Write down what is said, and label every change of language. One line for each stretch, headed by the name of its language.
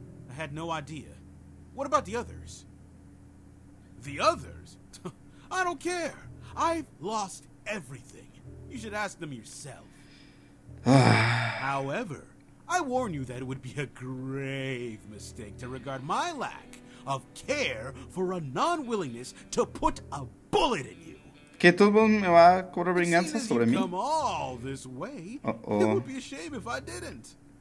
English: I had no idea. What about the others? The others? I don't care. I've lost everything. You should ask them yourself. However, I warn you that it would be a grave mistake to regard my lack of care for a non-willingness to put a bullet in you.
Spanish: ¿Qué, todo me va a cobrar venganza sobre mí?
English: Come all this way, it would be a shame if I didn't.